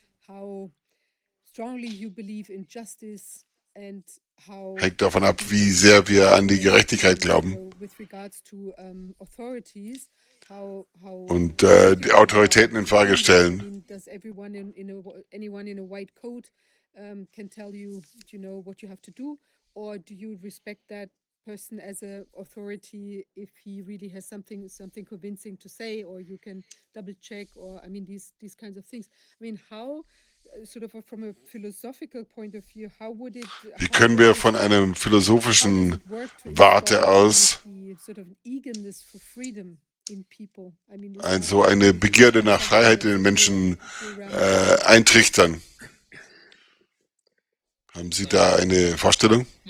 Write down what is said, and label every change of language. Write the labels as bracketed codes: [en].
[en] How strongly you believe in justice and how [de] hängt davon ab, wie sehr wir an die Gerechtigkeit glauben. Und die Autoritäten in Frage stellen. [en] Does everyone anyone in a white coat can tell you, you know, what you have to do, or do you respect that person as a authority if he really has something convincing to say, or you can double check, or I mean these kinds of things. I mean, how sort of from a philosophical point of view, how would it? [de] Wie können wir von einem philosophischen Warte aus [en] sort of eagerness for freedom? [de] Also eine Begierde nach Freiheit in den Menschen eintrichtern. Haben Sie da eine Vorstellung?